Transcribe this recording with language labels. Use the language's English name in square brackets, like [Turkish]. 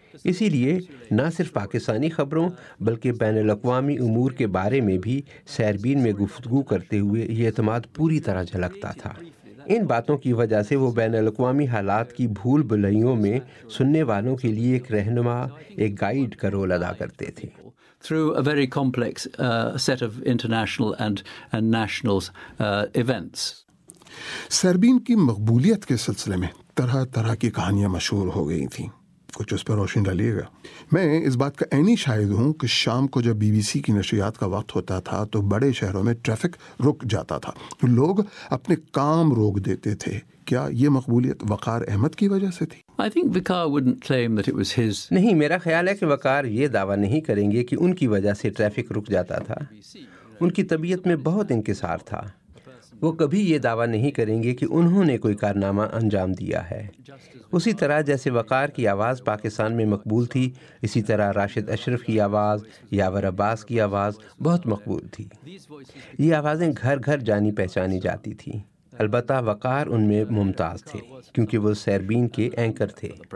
[Urdu] اسی لیے نہ صرف پاکستانی خبروں بلکہ بین الاقوامی امور کے بارے میں بھی سربین میں گفتگو کرتے ہوئے یہ اعتماد پوری طرح جھلکتا تھا. ان باتوں کی وجہ سے وہ بین الاقوامی حالات کی بھول بھلائیوں میں سننے والوں کے لیے ایک رہنما, ایک گائیڈ کا رول ادا کرتے تھے. [English] Through a very complex set of international and national events. [Urdu] سربین کی مقبولیت کے سلسلے میں طرح طرح کی کہانیاں مشہور ہو گئی تھیں, کچھ اس پر روشنی ڈالیے گا. میں اس بات کا عینی شاہد ہوں کہ شام کو جب بی بی سی کی نشریات کا وقت ہوتا تھا تو بڑے شہروں میں ٹریفک رک جاتا تھا, لوگ اپنے کام روک دیتے تھے. کیا یہ مقبولیت وقار احمد کی وجہ سے تھی؟ [English] I think Vakar wouldn't claim that it was his. [Urdu] نہیں, میرا خیال ہے کہ وقار یہ دعویٰ نہیں کریں گے کہ ان کی وجہ سے ٹریفک رک جاتا تھا. ان کی طبیعت میں بہت انکسار تھا, وہ کبھی یہ دعویٰ نہیں کریں گے کہ انہوں نے کوئی کارنامہ انجام دیا ہے۔ اسی طرح جیسے وقار کی آواز پاکستان میں مقبول تھی، اسی طرح راشد اشرف کی آواز، یاور عباس کی آواز بہت مقبول تھی۔ یہ آوازیں گھر گھر جانی پہچانی جاتی تھیں۔ البتہ وقار ان میں ممتاز تھے کیونکہ وہ سیربین کے اینکر تھے۔